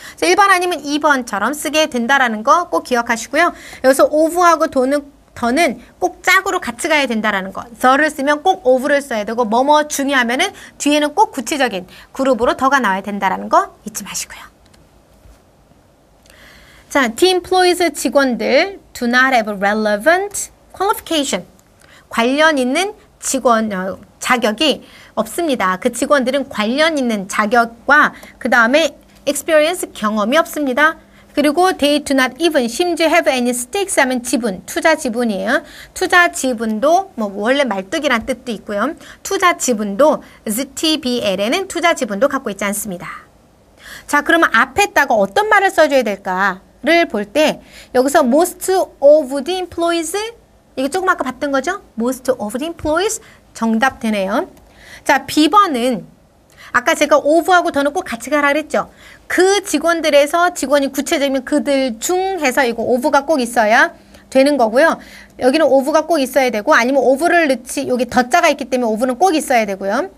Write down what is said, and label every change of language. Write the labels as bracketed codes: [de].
[ko] 그래서 1번 아니면 2번처럼 쓰게 된다라는 거 꼭 기억하시고요. 여기서 of하고 돈은 더는 꼭 짝으로 같이 가야 된다라는 것. the를 쓰면 꼭 of를 써야 되고 뭐뭐 중요하면은 뒤에는 꼭 구체적인 그룹으로 더가 나와야 된다라는 거 잊지 마시고요. [en] 자, the employees 직원들 do not have a relevant qualification. [ko] 관련 있는 직원 자격이 없습니다. 그 직원들은 관련 있는 자격과 그 다음에 experience 경험이 없습니다. [en] 그리고 they do not even, 심지어 have any stakes [ko] 하면 지분, 투자 지분이에요. 투자 지분도 뭐 원래 말뚝이란 뜻도 있고요. 투자 지분도, STBL에는 투자 지분도 갖고 있지 않습니다. 자, 그러면 앞에다가 어떤 말을 써줘야 될까를 볼 때 여기서 [en] most of the employees, [ko] 이게 조금 아까 봤던 거죠? [en] most of the employees [ko] 정답 되네요. 자, B번은 아까 제가 of하고 더는 꼭 같이 가라 그랬죠? 그 직원들에서 직원이 구체적이면 그들 중 해서 이거 of가 꼭 있어야 되는 거고요. 여기는 of가 꼭 있어야 되고 아니면 of를 넣지 여기 더자가 있기 때문에 of는 꼭 있어야 되고요.